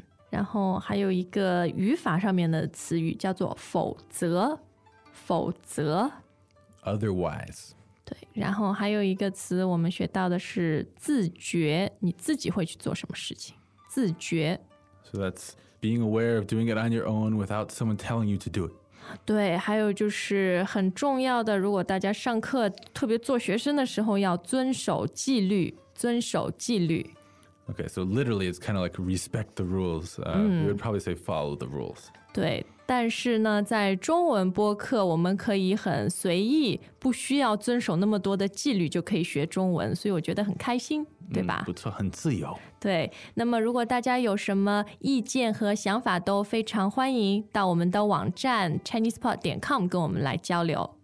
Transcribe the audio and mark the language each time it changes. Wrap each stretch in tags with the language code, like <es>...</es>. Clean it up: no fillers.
<zh>然后还有一个语法上面的词语叫做否则，否则。</zh> <en>Otherwise.</en> <zh>对，然后还有一个词我们学到的是自觉，你自己会去做什么事情，自觉。</zh> <en>So that's being aware of doing it on your own without someone telling you to do it.</en> <zh>对，还有就是很重要的，如果大家上课特别做学生的时候要遵守纪律，遵守纪律。</zh> <en>Okay, so literally it's kind of like respect the rules. You would probably say follow the rules.</en> <zh>对，但是呢在中文播客我们可以很随意，不需要遵守那么多的纪律就可以学中文，所以我觉得很开心，对吧？不错，很自由。对，那么如果大家有什么意见和想法都非常欢迎到我们的网站 ChinesePod.com 跟我们来交流。</zh>